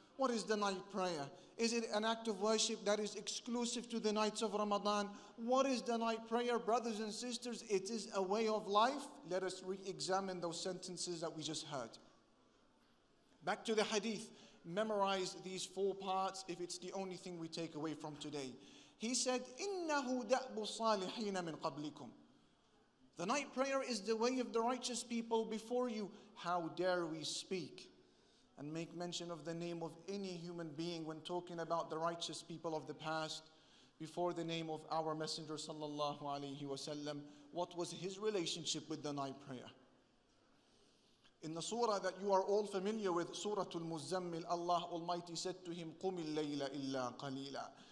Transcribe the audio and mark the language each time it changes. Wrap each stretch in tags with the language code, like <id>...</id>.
<en>What is the night prayer? Is it an act of worship that is exclusive to the nights of Ramadan? What is the night prayer, brothers and sisters? It is a way of life. Let us re-examine those sentences that we just heard. Back to the hadith. Memorize these four parts if it's the only thing we take away from today. He said,</en> <ar>إِنَّهُ دَأْبُ الصَّالِحِينَ مِنْ قَبْلِكُمْ.</ar> <en>The night prayer is the way of the righteous people before you. How dare we speak and make mention of the name of any human being when talking about the righteous people of the past before the name of our Messenger sallallahu alayhi wasallam? What was his relationship with the night prayer? In the surah that you are all familiar with, Suratul Muzzammil, Allah Almighty said to him,</en> <ar>قُمِ اللَّيْلَ إِلَّا قَلِيلًا.</ar>